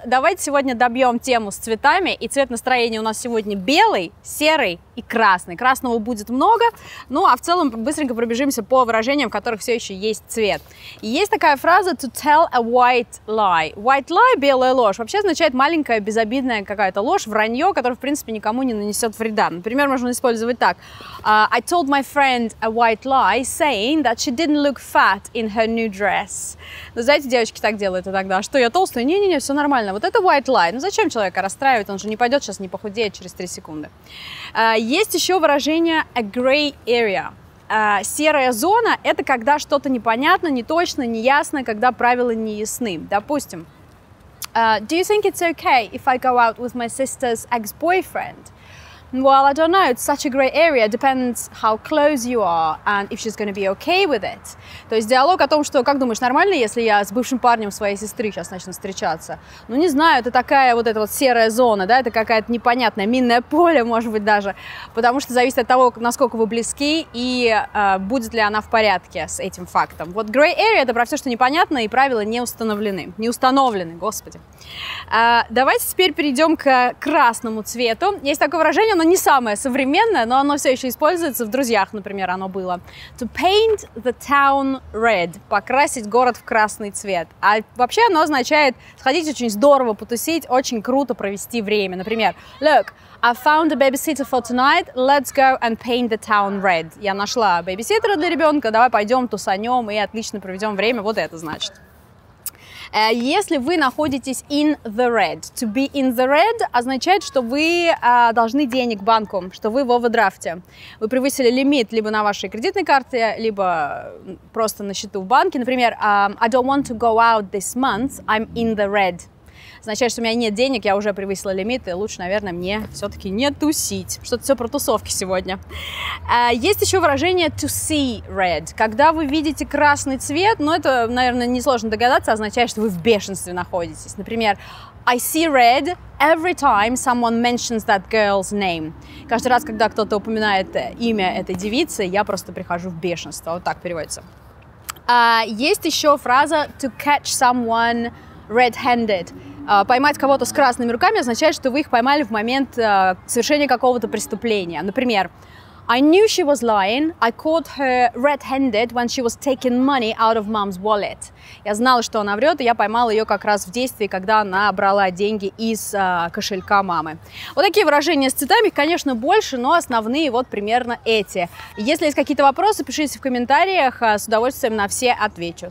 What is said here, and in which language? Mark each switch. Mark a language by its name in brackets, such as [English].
[Russian] Давайте сегодня добьем тему с цветами, и цвет настроения у нас сегодня белый, серый и красный. Красного будет много, ну а в целом быстренько пробежимся по выражениям, в которых все еще есть цвет. И есть такая фраза [English] to tell a white lie. White lie [Russian] – белая ложь. Вообще означает маленькая, безобидная какая-то ложь, вранье, которое, в принципе, никому не нанесет вреда. Например, можно использовать так. [English] I told my friend a white lie, saying that she didn't look fat in her new dress. [Russian] Ну, знаете, девочки так делают иногда. Что, я толстая? Не-не-не, все нормально. Вот это white lie. Ну, зачем человека расстраивать? Он же не пойдет сейчас не похудеет через 3 секунды. Есть еще выражение [English] a gray area. [Russian] Серая зона – это когда что-то непонятно, неточно, неясно, когда правила не ясны. [English] Допустим, do you think it's okay if I go out with my sister's ex-boyfriend? Well, I don't know, it's such a gray area, depends how close you are and if she's going to be okay with it. [Russian] То есть диалог о том, что, как думаешь, нормально, если я с бывшим парнем своей сестры сейчас начну встречаться? Ну, не знаю, это такая вот эта вот серая зона, да, это какая-то непонятная, минное поле, может быть, даже, потому что зависит от того, насколько вы близки и будет ли она в порядке с этим фактом. Вот [English] gray area [Russian] – это про все, что непонятно и правила не установлены, не установлены, господи. Давайте теперь перейдем к красному цвету. Есть такое выражение, оно не самое современное, но оно все еще используется в «Друзьях», например, оно было. [English] To paint the town red – [Russian] покрасить город в красный цвет. А вообще оно означает сходить очень здорово, потусить, очень круто провести время. [English] Например, look, I found a babysitter for tonight, let's go and paint the town red. [Russian] Я нашла бэбиситтера для ребенка, давай пойдем тусанем и отлично проведем время, вот это значит. Если вы находитесь [English] in the red, to be in the red [Russian] означает, что вы должны денег банку, что вы в овердрафте. Вы превысили лимит либо на вашей кредитной карте, либо просто на счету в банке. [English] Например, I don't want to go out this month, I'm in the red. [Russian] Означает, что у меня нет денег, я уже превысила лимит, и лучше, наверное, мне все-таки не тусить. Что-то все про тусовки сегодня. Есть еще выражение [English] to see red. [Russian] Когда вы видите красный цвет, ну, это, наверное, несложно догадаться, означает, что вы в бешенстве находитесь. [English] Например, I see red every time someone mentions that girl's name. [Russian] Каждый раз, когда кто-то упоминает имя этой девицы, я просто прихожу в бешенство. Вот так переводится. Есть еще фраза [English] to catch someone red-handed. [Russian] Поймать кого-то с красными руками означает, что вы их поймали в момент совершения какого-то преступления. [English] Например, I knew she was lying, I caught her red-handed when she was taking money out of mom's wallet. [Russian] Я знала, что она врет, и я поймала ее как раз в действии, когда она брала деньги из кошелька мамы. Вот такие выражения с цветами, конечно, больше, но основные вот примерно эти. Если есть какие-то вопросы, пишите в комментариях, с удовольствием на все отвечу.